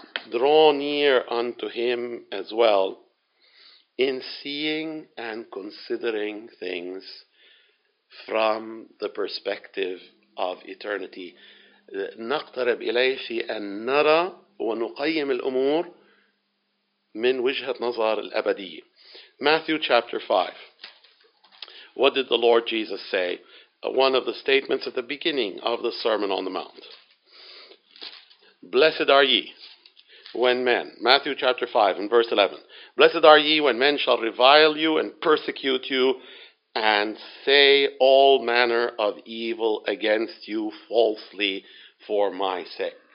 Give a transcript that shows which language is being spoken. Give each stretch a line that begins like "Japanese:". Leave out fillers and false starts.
English: Draw near unto him as well in seeing and considering things from the perspective of eternity.
Arabic: نقترب إليه في أن نرى ونقيم الأمور من وجهة نظر الأبدية.
English: Matthew chapter 5. What did the Lord Jesus say? One of the statements at the beginning of the Sermon on the Mount. Blessed are ye when men, Matthew chapter 5 and verse 11. Blessed are ye when men shall revile you and persecute you and say all manner of evil against you falsely for my sake.